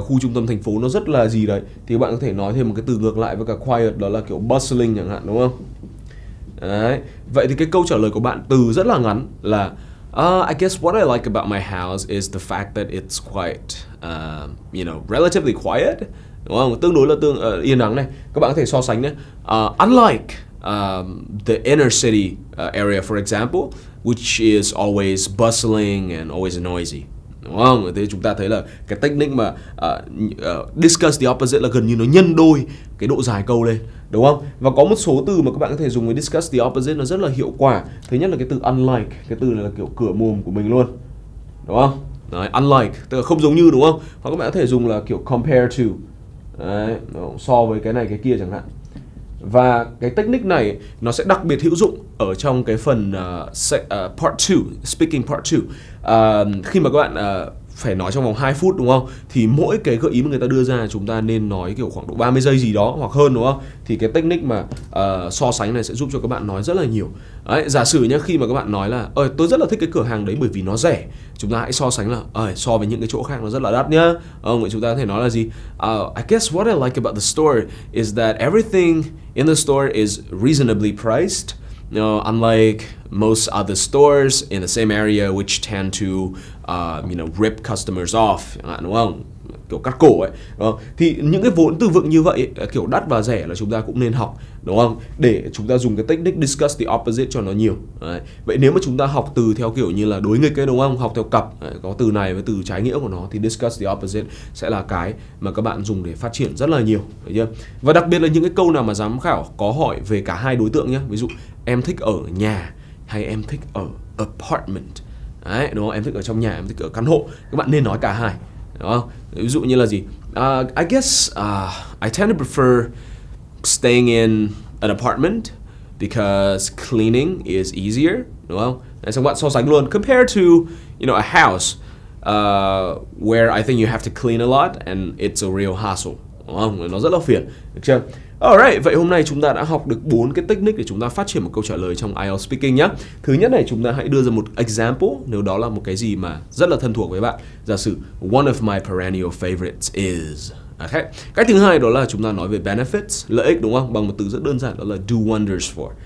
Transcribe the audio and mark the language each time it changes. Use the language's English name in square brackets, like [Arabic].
[Vietnamese] Khu trung tâm thành phố nó rất là gì đấy, thì bạn có thể nói thêm một cái từ ngược lại với cả quiet, đó là kiểu bustling chẳng hạn, đúng không? Đấy. Vậy thì cái câu trả lời của bạn từ rất là ngắn là [English] I guess what I like about my house is the fact that it's quite, you know, relatively quiet. [Vietnamese] Đúng không? Tương đối là tương yên ắng này. Các bạn có thể so sánh nhé. [English] Unlike the inner city area, for example, which is always bustling and always noisy. [Vietnamese] Đúng không? Thế chúng ta thấy là cái technique mà [English] discuss the opposite [Vietnamese] là gần như nó nhân đôi cái độ dài câu lên. Đúng không? Và có một số từ mà các bạn có thể dùng với [English] discuss the opposite [Vietnamese] nó rất là hiệu quả. Thứ nhất là cái từ unlike, cái từ này là kiểu cửa mồm của mình luôn. Đúng không? Đấy, unlike, tức là không giống như, đúng không? Hoặc các bạn có thể dùng là kiểu [English] compare to. [Vietnamese] Đấy, so với cái này cái kia chẳng hạn. Và cái technique này nó sẽ đặc biệt hữu dụng ở trong cái phần part 2, speaking part 2. Khi mà các bạn phải nói trong vòng 2 phút đúng không? Thì mỗi cái gợi ý mà người ta đưa ra chúng ta nên nói kiểu khoảng độ 30 giây gì đó hoặc hơn, đúng không? Thì cái technique mà so sánh này sẽ giúp cho các bạn nói rất là nhiều. Đấy, giả sử nhá, khi mà các bạn nói là ơi tôi rất là thích cái cửa hàng đấy bởi vì nó rẻ, chúng ta hãy so sánh là ơi so với những cái chỗ khác nó rất là đắt nhá. Chúng ta có thể nói là gì? [English] I guess what I like about the store is that everything in the store is reasonably priced. No, unlike most other stores in the same area, which tend to, you know, rip customers off, [Vietnamese] đúng không? Kiểu cắt cổ ấy. Đúng không? Thì những cái vốn từ vựng như vậy, kiểu đắt và rẻ là chúng ta cũng nên học, đúng không? Để chúng ta dùng cái technique [English] discuss the opposite [Vietnamese] cho nó nhiều. Đấy. Vậy nếu mà chúng ta học từ theo kiểu như là đối nghịch ấy, đúng không? Học theo cặp, có từ này với từ trái nghĩa của nó, thì [English] discuss the opposite [Vietnamese] sẽ là cái mà các bạn dùng để phát triển rất là nhiều. Đấy chưa? Và đặc biệt là những cái câu nào mà giám khảo có hỏi về cả hai đối tượng nhé. Ví dụ em thích ở nhà hay em thích ở apartment. Đấy, đúng không? Em thích ở trong nhà, em thích ở căn hộ. Các bạn nên nói cả hai. Đúng không? Ví dụ như là gì? [English] I guess I tend to prefer staying in an apartment because cleaning is easier, [Vietnamese] đúng không? Đấy, xong bạn so sánh luôn [English] compared to, you know, a house where I think you have to clean a lot and it's a real hassle. [Vietnamese] Đúng không? Nó rất là phiền, được chưa? Alright, vậy hôm nay chúng ta đã học được 4 cái technique để chúng ta phát triển một câu trả lời trong IELTS speaking nhé. Thứ nhất này, chúng ta hãy đưa ra một example nếu đó là một cái gì mà rất là thân thuộc với bạn. Giả sử, [English] one of my perennial favorites is... Okay. [Vietnamese] Cái thứ hai đó là chúng ta nói về benefits, lợi ích, đúng không? Bằng một từ rất đơn giản, đó là [English] do wonders for.